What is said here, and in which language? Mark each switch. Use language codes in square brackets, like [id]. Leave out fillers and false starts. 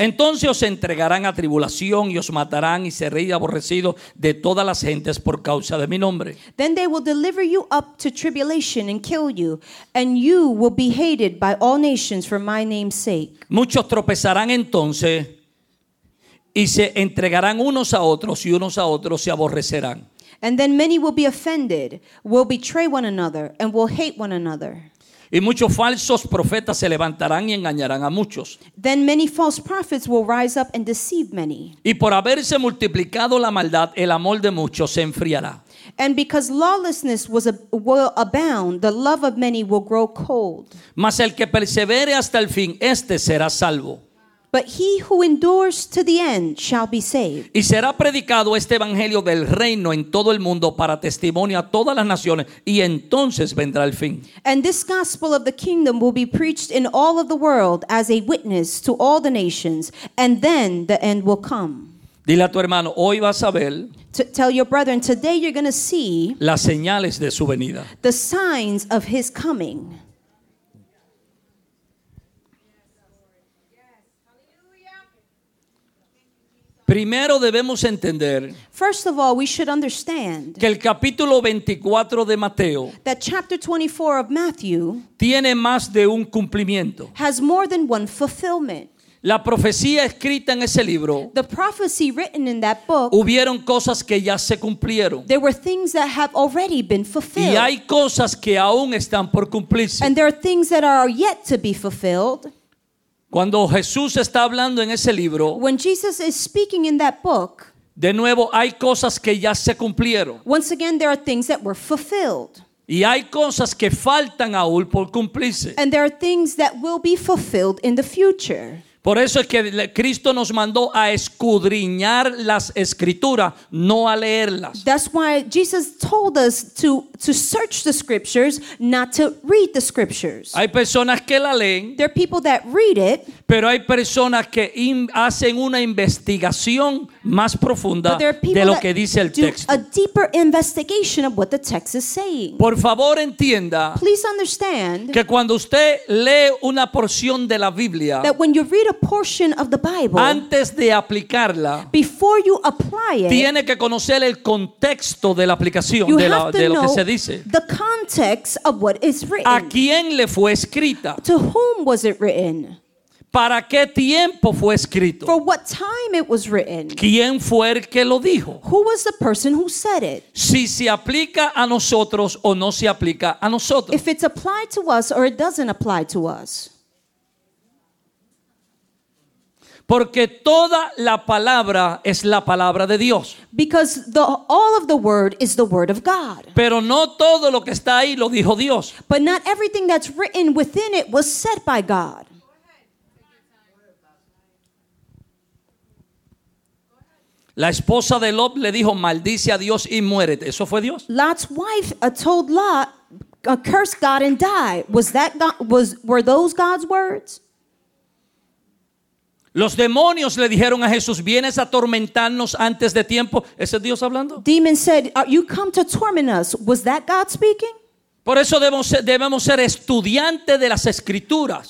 [es] Entonces os entregarán a tribulación y os matarán y seréis aborrecidos de todas las gentes por causa de mi nombre. [en] Then they will deliver you up to tribulation and kill you, and you will be hated by all nations for my name's sake. [es] Muchos tropezarán entonces, y se entregarán unos a otros, y unos a otros se aborrecerán. [en] And then many will be offended, will betray one another, and will hate one another. [es] Y muchos falsos profetas se levantarán y engañarán a muchos. [en] Then many false prophets will rise up and deceive many. [es] Y por haberse multiplicado la maldad, el amor de muchos se enfriará. [en] And because lawlessness will abound, the love of many will grow cold. [es] Mas el que persevere hasta el fin, este será salvo. [en] But he who endures to the end shall be saved. [es] Y será predicado este evangelio del reino en todo el mundo para testimonio a todas las naciones, y entonces vendrá el fin. [en] And this gospel of the kingdom will be preached in all of the world as a witness to all the nations, and then the end will come. [es] Dile a tu hermano, hoy vas a ver. [en] Tell your brethren, today you're going to see [es] las señales de su venida. [en] The signs of his coming. [es] Primero debemos entender [en] First of all, we should understand [es] que el capítulo 24 de Mateo [en] that chapter 24 of Matthew [es] tiene más de un cumplimiento. [en] Has more than one fulfillment. [es] La profecía escrita en ese libro, [en] the prophecy written in that book, [es] hubieron cosas que ya se cumplieron. [en] There were things that have already been fulfilled. [es] Y hay cosas que aún están por cumplirse. [en] And there are things that are yet to be fulfilled. [es] Cuando Jesús está hablando en ese libro, [en] when Jesus is speaking in that book, [es] de nuevo hay cosas que ya se cumplieron. [en] Once again, there are things that were fulfilled. [es] Y hay cosas que faltan aún por cumplirse. [en] And there are things that will be fulfilled in the future. [es] Por eso es que Cristo nos mandó a escudriñar las escrituras, no a leerlas. [en] That's why Jesus told us to search the scriptures, not to read the scriptures. [es] Hay personas que la leen. [en] There are people that read it. [es] Pero hay personas que hacen una investigación más profunda de lo que dice el texto. [en] A deeper investigation of what the text is saying. [es] Por favor, entienda. [en] Please understand [es] que cuando usted lee una porción de la Biblia, [en] that when you read a portion of the Bible, [es] antes de aplicarla, [en] before you apply it, [es] tiene que conocer el contexto de la aplicación de lo que se dice. [en] The context of what is written. [es] ¿A quién le fue escrita? [en] To whom was it written? [es] ¿Para qué tiempo fue escrito? [en] For what time it was written? [es] ¿Quién fue el que lo dijo? [en] Who was the person who said it? [es] Si se aplica a nosotros o no se aplica a nosotros. [en] If it's applied to us or it doesn't apply to us. [es] Porque toda la palabra es la palabra de Dios. [en] Because all of the word is the word of God. [es] Pero no todo lo que está ahí lo dijo Dios. [en] But not everything that's written within it was said by God. [es] La esposa de Lot le dijo, maldice a Dios y muérete. ¿Eso fue Dios? [en] Lot's wife told Lot, curse God and die. Was that God, were those God's words? [es] Los demonios le dijeron a Jesús, vienes a atormentarnos antes de tiempo. ¿Ese es Dios hablando? [en] Demons said, you come to torment us. Was that God speaking? [es] Por eso debemos ser estudiantes de las escrituras.